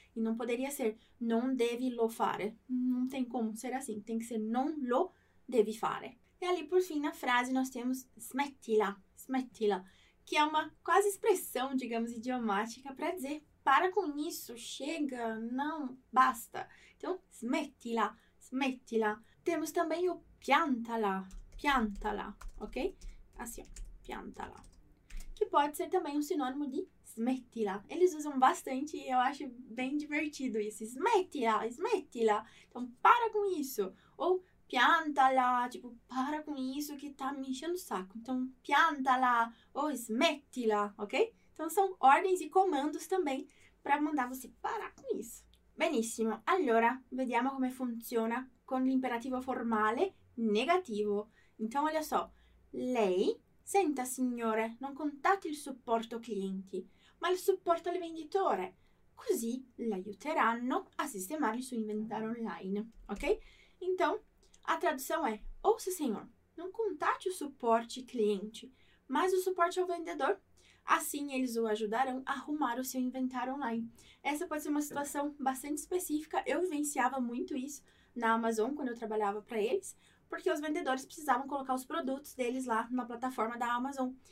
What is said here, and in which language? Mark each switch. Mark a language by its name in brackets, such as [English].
[Portuguese] E não poderia ser [Italian] non devi lo fare. [Portuguese] Não tem como ser assim. Tem que ser [Italian] non lo devi fare. [Portuguese] E ali por fim na frase nós temos smettila, smettila, que é uma quase expressão, digamos, idiomática para dizer para com isso, chega, não, basta. Então, smettila, smettila. Temos também o piantala. Piantala, ok? Assim, ó, piantala. Que pode ser também um sinônimo de smettila. Eles usam bastante e eu acho bem divertido isso. Smettila, smettila. Então, para com isso. Ou piantala, tipo, para com isso que tá me enchendo o saco. Então, piantala ou smettila, ok? Então, são ordens e comandos também para mandar você parar com isso. [Italian] Benissimo. Allora, vediamo come funziona con l'imperativo formale negativo. [Portuguese] Então, olha só, [Italian] lei, senta signore, non contatti il supporto clienti, ma il supporto al venditore, così l'aiuteranno a sistemare il suo inventario online, ok? [Portuguese] Então, a tradução è, ouça signor, [Italian] non contatti il supporto clienti, ma il supporto al venditore, [Portuguese] assim eles o ajudarão a arrumar o seu inventário online. Essa pode ser uma situação bastante específica, eu vivenciava muito isso na Amazon quando eu trabalhava para eles, porque os vendedores precisavam colocar os produtos deles lá na plataforma da Amazon.